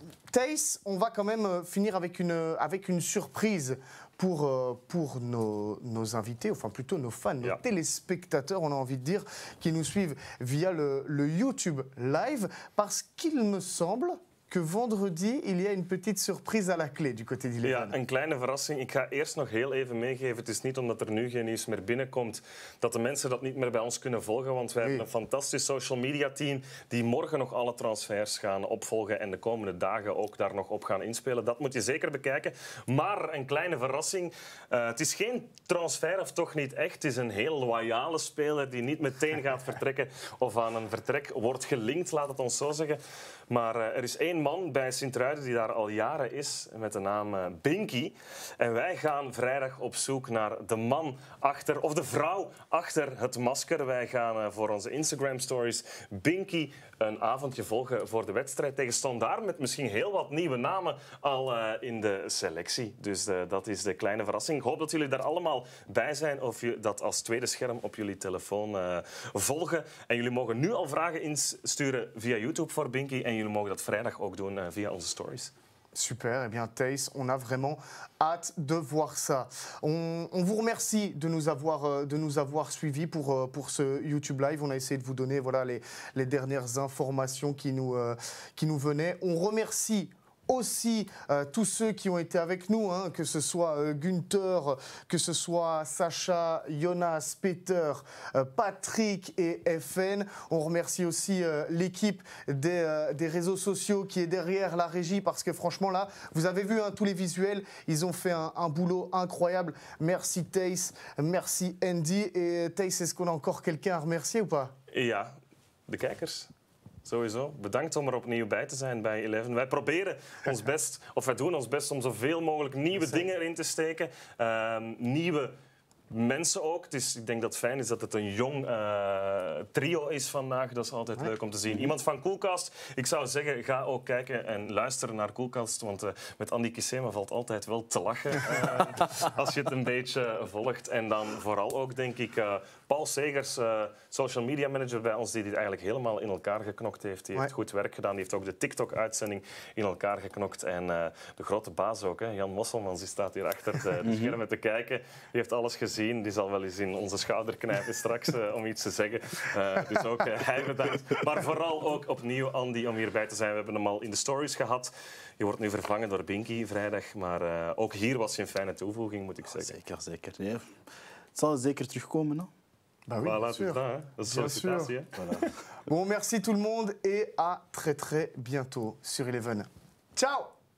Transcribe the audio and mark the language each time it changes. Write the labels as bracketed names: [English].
[French] Thijs, on va quand même finir avec une surprise pour nos invités, enfin plutôt nos fans, nos téléspectateurs, on a envie de dire, qui nous suivent via le YouTube Live, parce qu'il me semble... que vendredi, il y a une petite surprise à la clé du côté d'Ileven. [Dutch] Ja, een kleine verrassing. Ik ga eerst nog heel even meegeven. Het is niet omdat er nu geen nieuws meer binnenkomt dat de mensen dat niet meer bij ons kunnen volgen. Want wij hebben een fantastisch social media team die morgen nog alle transfers gaan opvolgen en de komende dagen ook daar nog op gaan inspelen. Dat moet je zeker bekijken. Maar een kleine verrassing. Het is geen transfer of toch niet echt. Het is een heel loyale speler die niet meteen gaat vertrekken of aan een vertrek wordt gelinkt, laat het ons zo zeggen. Maar er is één man bij Sint-Truiden die daar al jaren is, met de naam Binky. En wij gaan vrijdag op zoek naar de man achter, of de vrouw achter het masker. Wij gaan voor onze Instagram-stories Binky een avondje volgen voor de wedstrijd tegen Standaard, met misschien heel wat nieuwe namen al in de selectie. Dus dat is de kleine verrassing. Ik hoop dat jullie daar allemaal bij zijn of je dat als tweede scherm op jullie telefoon volgen. En jullie mogen nu al vragen insturen via YouTube voor Binky. En jullie mogen dat vrijdag ook doen via onze stories. Super. [French] Eh bien, Thijs, on a vraiment hâte de voir ça. On vous remercie de nous avoir suivis pour ce YouTube Live. On a essayé de vous donner les dernières informations qui nous venaient. On remercie aussi tous ceux qui ont été avec nous, hein, que ce soit Gunther, que ce soit Sacha, Jonas, Peter, Patrick et FN. On remercie aussi l'équipe des réseaux sociaux qui est derrière la régie, parce que franchement là, vous avez vu, hein, tous les visuels, ils ont fait un boulot incroyable. Merci Thijs, merci Andy. Et Thijs, est-ce qu'on a encore quelqu'un à remercier ou pas? [Dutch] Ja, de kijkers. Sowieso. Bedankt om er opnieuw bij te zijn bij Eleven. Wij proberen ons best, of wij doen ons best om zoveel mogelijk nieuwe dingen erin te steken. Nieuwe mensen ook. Dus ik denk dat het fijn is dat het een jong trio is vandaag. Dat is altijd leuk om te zien. Iemand van Coolcast, ik zou zeggen, ga ook kijken en luisteren naar Coolcast. Want met Andy Kissema valt altijd wel te lachen als je het een beetje volgt. En dan vooral ook, denk ik, Paul Segers, social media manager bij ons, die dit eigenlijk helemaal in elkaar geknokt heeft. Die heeft goed werk gedaan. Die heeft ook de TikTok-uitzending in elkaar geknokt. En de grote baas ook, hè, Jan Mosselmans, die staat hier achter de schermen te kijken. Die heeft alles gezien. Die zal wel eens in onze schouder knijpen straks om iets te zeggen. Dus ook hij bedankt. Maar vooral ook opnieuw Andy om hierbij te zijn. We hebben hem al in de stories gehad. Je wordt nu vervangen door Binky vrijdag. Maar ook hier was je een fijne toevoeging, moet ik zeggen. Zeker, zeker. Nee. Het zal zeker terugkomen, hè? [French] Ben oui, voilà, bien sûr. C'est ça, hein. C'est bien sûr. Voilà. Bon, merci tout le monde et à très très bientôt sur Eleven. Ciao.